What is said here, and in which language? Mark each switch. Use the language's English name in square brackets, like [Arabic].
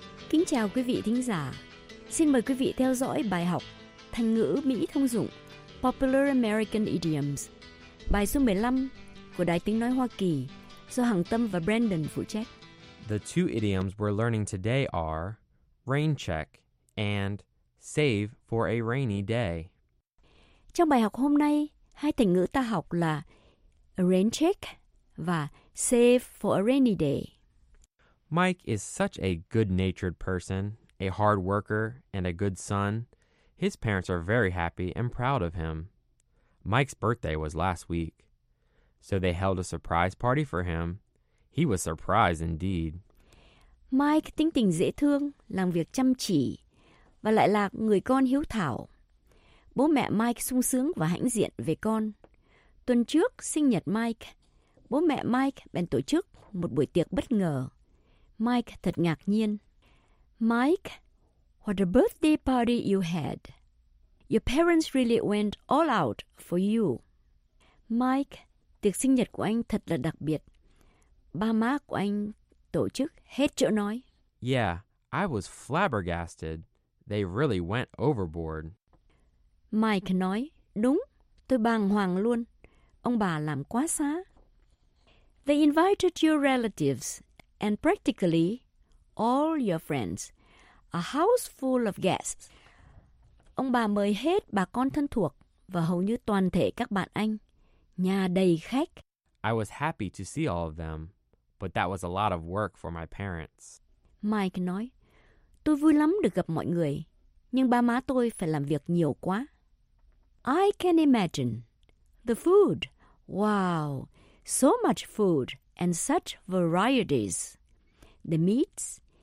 [Vietnamese] Kính chào quý vị thính giả. Xin mời quý vị theo dõi bài học Thành ngữ Mỹ thông dụng Popular American Idioms, bài số 15 của Đài Tiếng Nói Hoa Kỳ do Hằng Tâm và Brandon phụ trách. [English] The two idioms we're learning today are rain check and save for a rainy day. [Vietnamese] Trong bài học hôm nay, hai thành ngữ ta học là rain check và [English] save for a rainy day. Mike is such a good-natured person, a hard worker, and a good son. His parents are very happy and proud of him. Mike's birthday was last week, so they held a surprise party for him. He was surprised indeed. [Vietnamese] Mike tính tình dễ thương, làm việc chăm chỉ, và lại là người con hiếu thảo. Bố mẹ Mike sung sướng và hãnh diện về con. Tuần trước, sinh nhật Mike, bố mẹ Mike bèn tổ chức một buổi tiệc bất ngờ. Mike thật ngạc nhiên. [English] Mike, what a birthday party you had. Your parents really went all out for you. [Vietnamese] Mike, tiệc sinh nhật của anh thật là đặc biệt. Ba má của anh tổ chức hết chỗ nói. [English] Yeah, I was flabbergasted. They really went overboard. [Vietnamese] Mike nói, đúng, tôi bàng hoàng luôn. Ông bà làm quá xá. [English] They invited your relatives and practically all your friends. A house full of guests. [Vietnamese] Ông bà mời hết bà con thân thuộc và hầu như toàn thể các bạn anh. Nhà đầy khách. [English] I was happy to see all of them, but that was a lot of work for my parents. [Vietnamese] Mike nói, tôi vui lắm được gặp mọi người, nhưng ba má tôi phải làm việc nhiều quá. [English] I can imagine. The food. Wow. So much food and such varieties. The meats.